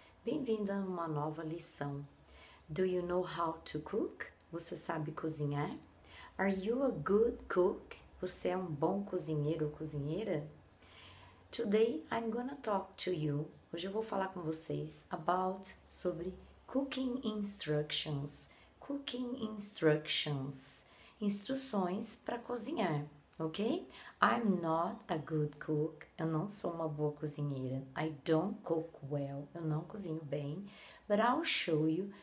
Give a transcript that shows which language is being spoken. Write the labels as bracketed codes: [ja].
[pt] Bem-vinda a uma nova lição. [en] Do you know how to cook? [pt] Você sabe cozinhar? [en] Are you a good cook? [pt] Você é um bom cozinheiro ou cozinheira? [en] Today I'm gonna talk to you. [pt] Hoje eu vou falar com vocês sobre cooking instructions. [en] Cooking instructions. [pt] Instruções para cozinhar. Okay? [en] I'm not a good cook. [pt] Eu não sou uma boa cozinheira. [en] I don't cook well. [pt] Eu não cozinho bem. [en] But I'll show you.